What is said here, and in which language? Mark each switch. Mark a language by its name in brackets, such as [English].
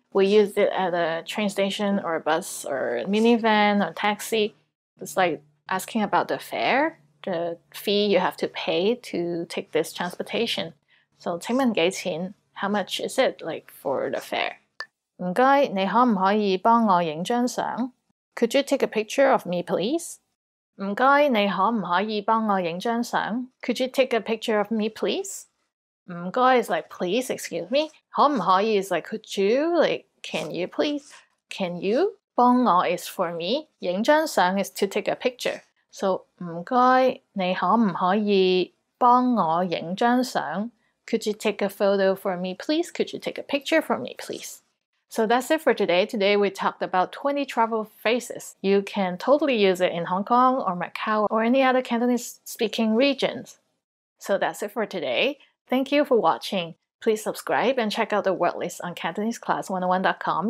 [English] We use it at a train station or a bus or a minivan or taxi. It's like asking about the fare, the fee you have to pay to take this transportation. So [Cantonese] 请问几钱? [English] How much is it like for the fare? [Cantonese] 麻烦你可不可以帮我拍张照? [English] Could you take a picture of me, please? [Cantonese] 麻烦你可不可以帮我拍张照? [English] Could you take a picture of me, please? [Cantonese] 麻烦 [English] is like please, excuse me. [Cantonese] 可不可以 [English] is like could you, like can you please? Can you? [Cantonese] 帮我 [English] is for me. [Cantonese] 拍张相 [English] is to take a picture. So [Cantonese] 麻烦你可不可以帮我拍张相? [English] Could you take a photo for me, please? Could you take a picture for me, please? So that's it for today. Today we talked about 20 travel phrases. You can totally use it in Hong Kong or Macau or any other Cantonese speaking regions. So that's it for today. Thank you for watching. Please subscribe and check out the word list on CantoneseClass101.com.